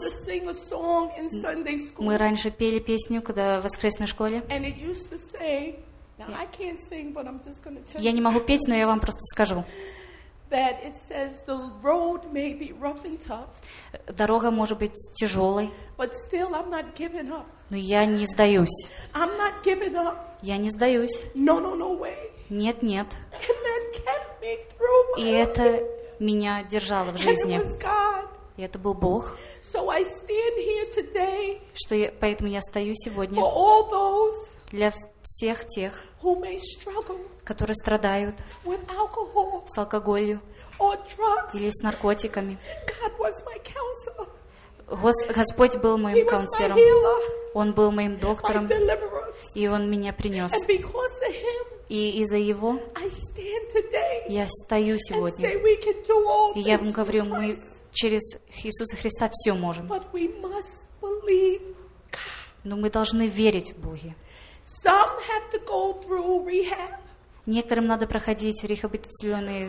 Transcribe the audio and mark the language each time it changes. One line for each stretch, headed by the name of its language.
English: We used to sing a song in Sunday school.
Russian: Мы раньше пели песню, когда в воскресной школе.
English: And it used to say, now I can't sing, but I'm just going to tell you.
Russian: Я не могу петь, но я вам просто скажу.
English: That it says the road may be rough and tough.
Russian: Дорога может быть тяжелой.
English: But still, I'm not giving up.
Russian: Но я не сдаюсь.
English: I'm not giving up.
Russian: Я не сдаюсь.
English: No, no, no way.
Russian: Нет, нет.
English: And that kept me through my
Russian: И это меня держало в жизни.
English: And it was God.
Russian: И это был Бог.
English: So I stand here today.
Russian: Что я, поэтому я стою сегодня.
English: For all those.
Russian: Для всех тех,
English: who may struggle
Russian: которые страдают
English: with alcohol,
Russian: с алкоголью
English: or drugs,
Russian: или с наркотиками.
English: God was my counselor.
Russian: Господь был моим
English: He counselor. Was my healer,
Russian: Он был моим доктором.
English: My deliverance.
Russian: И Он меня принес.
English: And because of him,
Russian: и из-за Его
English: I stand today
Russian: я стою сегодня.
English: And say we can do all
Russian: и я вам говорю, мы через Иисуса Христа все можем.
English: But we must believe God.
Russian: Но мы должны верить в Бога.
English: Some have to go through rehab.
Russian: Некоторым надо проходить реабилитационные.